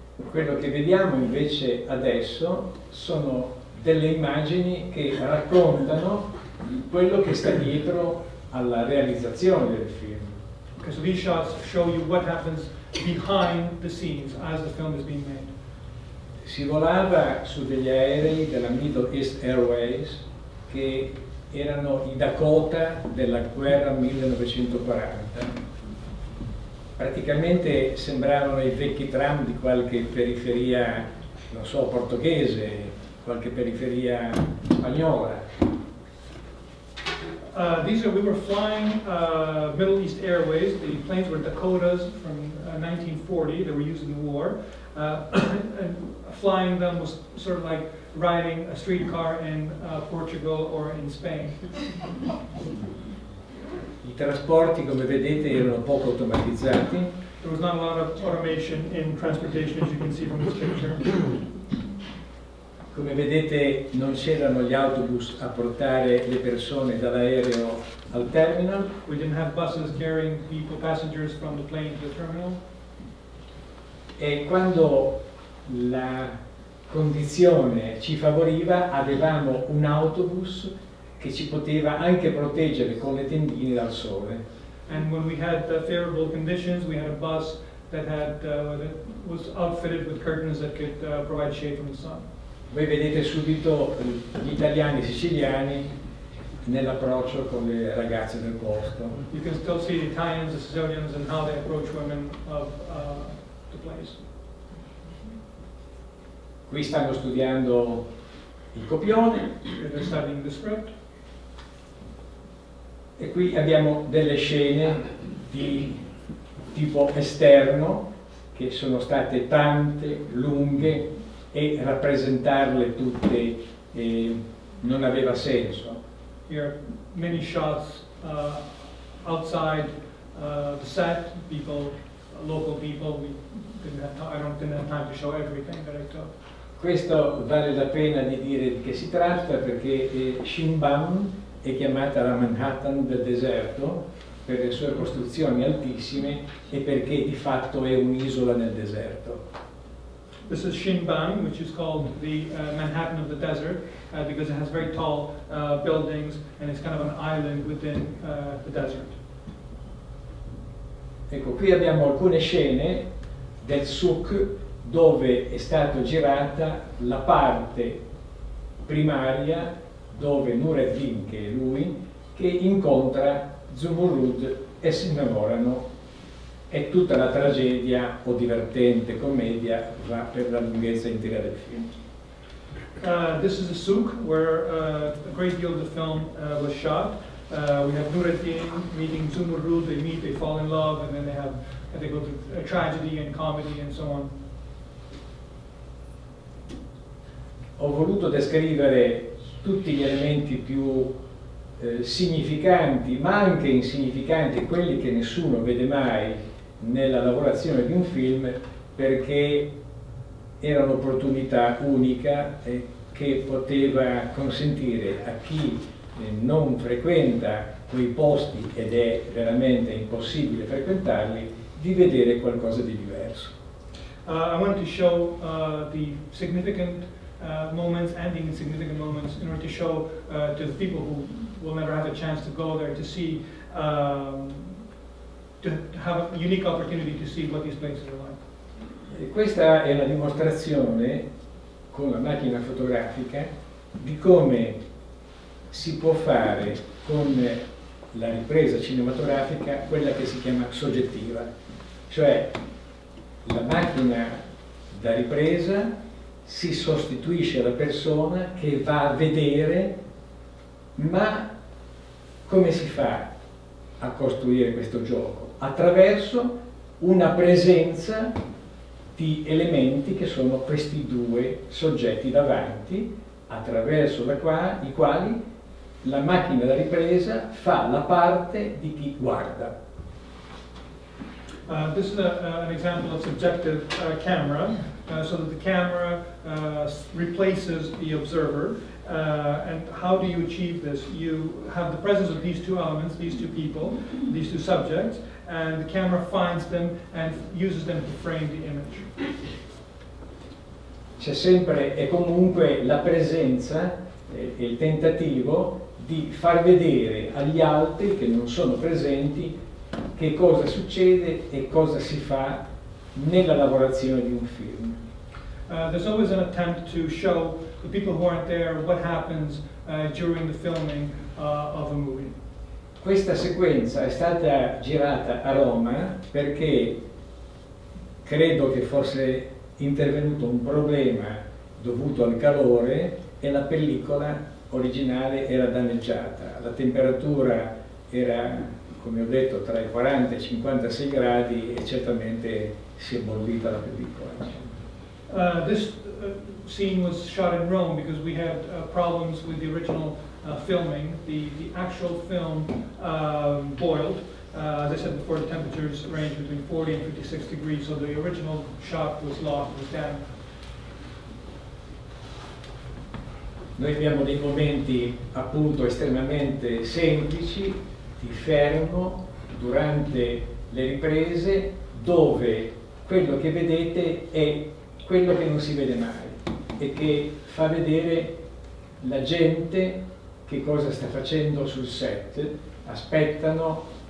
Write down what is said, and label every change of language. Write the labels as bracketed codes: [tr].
[it] Quello che vediamo invece adesso sono delle immagini che raccontano quello che sta dietro alla realizzazione del film. [en] Okay, so these shots show you what happens behind the scenes as the film is being made. [it] Si volava su degli aerei della Middle East Airways che erano i Dakota della guerra 1940. Praticamente sembravano i vecchi tram di qualche periferia, non so, portoghese, qualche periferia spagnola. [en] We were flying Middle East Airways. The planes were Dakotas from 1940. They were used in the war. And flying them was sort of like riding a streetcar in Portugal or in Spain. [it] I trasporti, come vedete, erano poco automatizzati. [en] There was not a lot of automation in transportation, as you can see from this picture. [it] Come vedete, non c'erano gli autobus a portare le persone dall'aereo al terminal. [en] We didn't have buses carrying people, passengers from the plane to the terminal. [it] E quando la condizione ci favoriva, avevamo un autobus che ci poteva anche proteggere con le tendine dal sole. [en] And when we had favorable conditions, we had a bus that had that was outfitted with curtains that could provide shade from the sun. [it] Voi vedete subito gli italiani siciliani nell'approccio con le ragazze del posto. [en] You can still see the Italians, the Sicilians, and how they approach women of the place. [it] Qui stanno studiando il copione. [en] And they're studying the script. [it] E qui abbiamo delle scene di tipo esterno che sono state tante, lunghe, e rappresentarle tutte non aveva senso. [en] Here are many shots outside the set, people, local people, we didn't have time, I don't think I had time to show everything that I took. [it] Questo vale la pena di dire di che si tratta perché Shimbam è chiamata la Manhattan del deserto per le sue costruzioni altissime e perché di fatto è un'isola nel deserto. [en] This is Shimbam, which is called the Manhattan of the desert, because it has very tall buildings and it's kind of an island within the desert. [it] Ecco, qui abbiamo alcune scene del souk dove è stata girata la parte primaria dove Nur ed-Din, che è lui, che incontra Zumurrud e si innamorano. E tutta la tragedia o divertente commedia va per la lunghezza intera del film. [en] This is a souk where a great deal of the film was shot. We have Nur ed-Din meeting Zumurrud, they meet, they fall in love, and then they go through a tragedy and comedy and so on. [it] Ho voluto descrivere tutti gli elementi più significanti, ma anche insignificanti, quelli che nessuno vede mai nella lavorazione di un film, perché era un'opportunità unica che poteva consentire a chi non frequenta quei posti ed è veramente impossibile frequentarli, di vedere qualcosa di diverso. [en] I want to show the significant moments and the insignificant moments in order to show to the people who will never have a chance to go there to see to have a unique opportunity to see what these places are like. [it] E questa è la dimostrazione con la macchina fotografica di come si può fare con la ripresa cinematografica quella che si chiama soggettiva, cioè la macchina da ripresa si sostituisce alla persona che va a vedere, ma come si fa a costruire questo gioco? Attraverso una presenza di elementi che sono questi due soggetti davanti, attraverso i quali la macchina da ripresa fa la parte di chi guarda. [en] This is an example of subjective camera, so that the camera replaces the observer. And how do you achieve this? You have the presence of these two elements, these two people, these two subjects, and the camera finds them and uses them to frame the image. [it] C'è sempre e comunque la presenza e il tentativo di far vedere agli altri che non sono presenti che cosa succede e cosa si fa nella lavorazione di un film. [en] There's always an attempt to show the people who aren't there what happens during the filming of a movie. [it] Questa sequenza è stata girata a Roma perché credo che fosse intervenuto un problema dovuto al calore e la pellicola originale era danneggiata. La temperatura era, come ho detto, tra i 40 e i 56 gradi e certamente si è bollita la pellicola. [en] This scene was shot in Rome because we had problems with the original filming. The actual film boiled. As I said before, the temperatures range between 40 and 56 degrees, so the original shot was lost, was damaged. [it] Noi abbiamo dei momenti appunto estremamente semplici di fermo durante le riprese dove quello che vedete è quello che non si vede mai e che fa vedere la gente che cosa sta facendo sul set. Aspettano